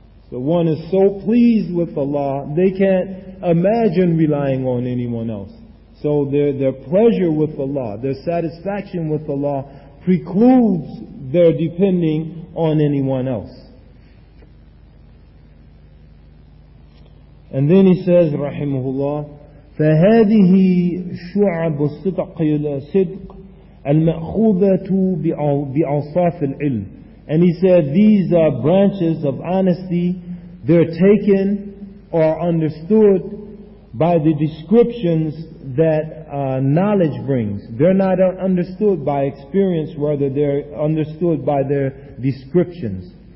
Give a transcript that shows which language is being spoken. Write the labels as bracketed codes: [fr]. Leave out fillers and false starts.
[en] So one is so pleased with Allah, they can't imagine relying on anyone else. So their pleasure with Allah, their satisfaction with Allah, precludes their depending on anyone else. And then he says, rahimahullah, [ar] فهذه شعب الصدق الصدق المأخوذة بأوصاف العلم. [en] And he said, these are branches of honesty. They're taken or understood by the descriptions that knowledge brings. They're not understood by experience, rather they're understood by their descriptions.